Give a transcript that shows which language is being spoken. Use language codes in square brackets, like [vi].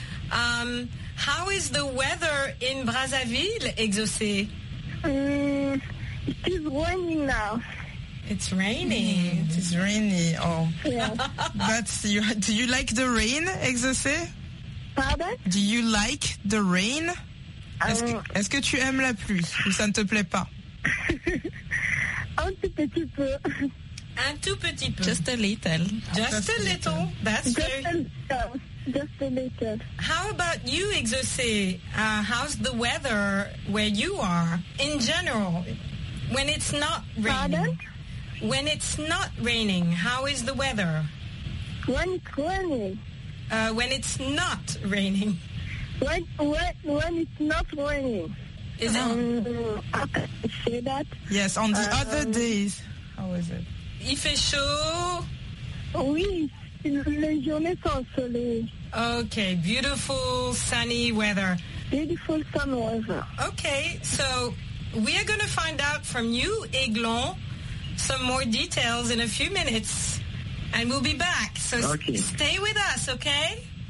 [en] How is the weather in Brazzaville, Isosé? It is raining now. It's raining. Mm. It is rainy. Oh. Yeah. Do you like the rain, Exaucé? Pardon? Do you like the rain? [fr] Est-ce que tu aimes la pluie ou ça ne te plaît pas? Un tout petit peu. Un tout petit peu. [en] Just a little. Just a little. That's true. Just a little. How about you, Exaucé? How's the weather where you are in general when it's not raining? Pardon? When it's not raining, how is the weather? When it's raining. When it's not raining. When it's not raining. Is it? How can I say that? Yes, on the other days. How is it? [fr] Il fait chaud. Oui, les journées sont soleil. [en] Okay, beautiful, sunny weather. beautiful sunrise. Okay, so we are going to find out from you, Aiglon, some more details in a few minutes, and we'll be back. So okay. Stay with us, okay?